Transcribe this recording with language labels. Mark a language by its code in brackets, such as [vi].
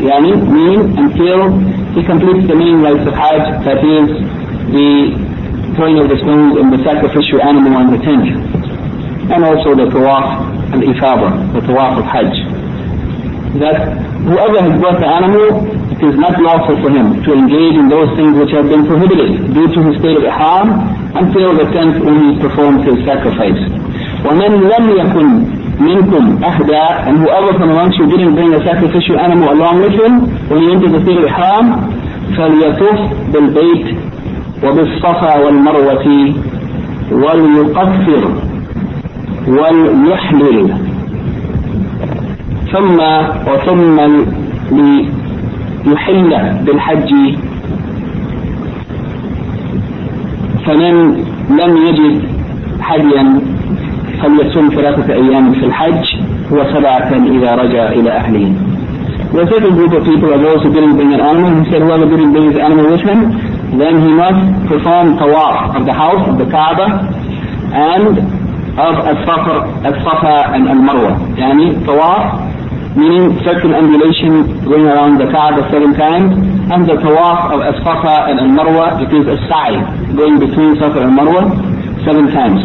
[en] Yani, mean until he completes the main rites of Hajj, that is the throwing of the stones and the sacrificial animal on the tent, and also the Tawaf and Ifada, the Tawaf of Hajj. That whoever has brought the animal, it is not lawful for him to engage in those things which have been prohibited due to his state of Ihram until the tenth when he performs his sacrifice. [ar] وَمَنْ لَمْ يَكُنْ مِنْكُمْ أَحْدَى, [en] and whoever from amongst you didn't bring a sacrificial animal along with him when he entered the state of Ihram, [ar] فَلْيَطُفْ بِالْبَيْتِ وَبِالصَّفَى وَالْمَرْوَةِ وَلْيُقَفِّرْ وَلْيُحْلِلْ ثُمَّ وَثُمَّ لِيُحِلَّ بِالْحَجِّ فَمَنْ لَمْ يَجِدْ حَجًّا فَلْيَصُمْ ثَلَاثَةَ أَيَّامٍ فِي الْحَجِّ وَسَبْعَةً إِذَا رَجَعَ إِلَى أَهْلِهِ. [en] The second group of people are those who didn't bring an animal. He said whoever didn't bring his animal with him, then he must perform tawaf of the house, of the Kaaba, and of al-Safa and al-Marwa. Yani tawaf, meaning circumambulation, going around the Kaaba 7 times, and the tawaf of al-Safa and al-Marwa, it is a sa'i, going between Safa and Marwa 7 times.